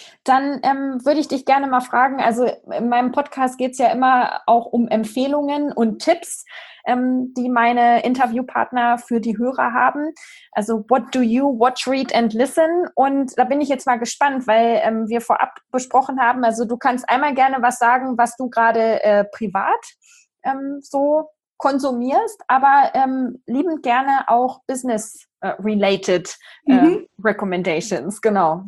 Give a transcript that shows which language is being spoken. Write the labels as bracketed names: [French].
[German] Dann würde ich dich gerne mal fragen, also in meinem Podcast geht es ja immer auch um Empfehlungen und Tipps, die meine Interviewpartner für die Hörer haben. [English] Also what do you watch, read and listen? [German] Und da bin ich jetzt mal gespannt, weil wir vorab besprochen haben, also du kannst einmal gerne was sagen, was du gerade privat so konsumierst, aber liebend gerne auch Business-related Recommendations, genau.